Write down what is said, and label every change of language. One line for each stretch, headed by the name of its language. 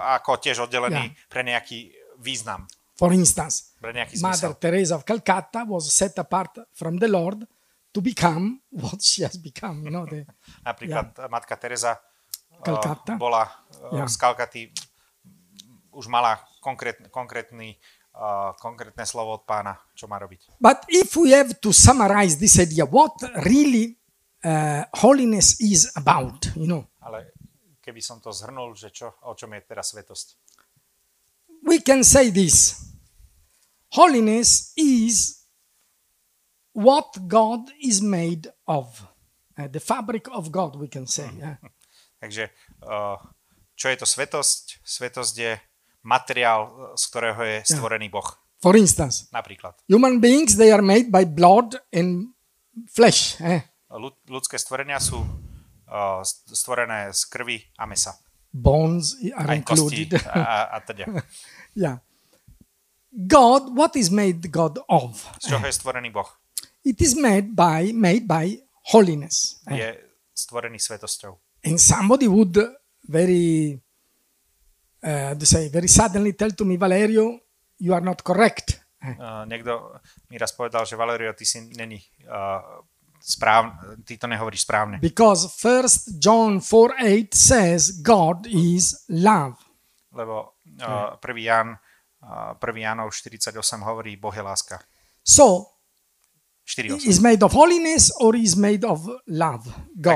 Slovak: ako tiež oddelený pre nejaký význam.
English: For instance, Mother Teresa of Calcutta was set apart from the Lord to become what she has become, you know,
Slovak: napríklad matka Teresa bola z Calcutty, už mala konkrétne slovo od pána, čo má robiť.
English: But if we have to summarize this idea, what really holiness is about, you know.
Slovak: Ale keby som to zhrnul, že čo, o čom je teraz svätosť.
English: We can say this. Holiness is what God is made of. The fabric of God, we can say.
Slovak: Takže, čo je to svätosť? Svätosť je materiál, z ktorého je stvorený Boh.
English: For instance,
Slovak: napríklad.
English: Human beings, they are made by blood and flesh.
Slovak: Ľudské stvorenia sú stvorené z krvi a mesa.
English: Bones are included.
Slovak: A teda.
English: Yeah. God, what is made God of?
Slovak: Z čoho je stvorený Boh?
English: It is made by holiness.
Slovak: Je stvorený svätosťou.
English: And somebody would very very suddenly tell to me, Valerio, you are not correct.
Slovak: Niekto mi raz povedal, že Valerio, ty si není správne, ty to nehovoríš správne.
English: Because 1 John 4:8 says God is love.
Slovak: Lebo prvý Jánov 48 hovorí, Boh je láska.
English: So,
Slovak: 48.
English: Is made of holiness or is made of love, God?